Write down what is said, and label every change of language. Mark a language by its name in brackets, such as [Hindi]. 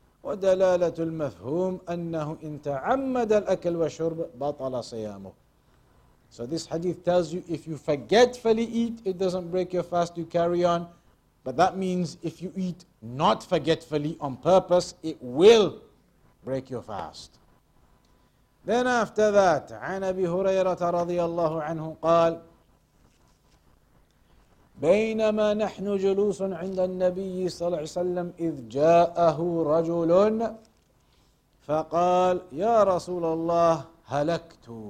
[Arabic] ودلالة المفهوم أنه إن تعمد الأكل والشرب بطل صيامه. [English] So this hadith tells you if you forgetfully eat, it doesn't break your fast, you carry on. But that means if you eat not forgetfully on purpose, it will break your fast. Then after that, [Arabic] عن أبي هريرة رضي الله عنه قال بينما نحن جلوس عند النبي صلى الله عليه وسلم إذ جاءه رجل فقال يا رسول الله هلكت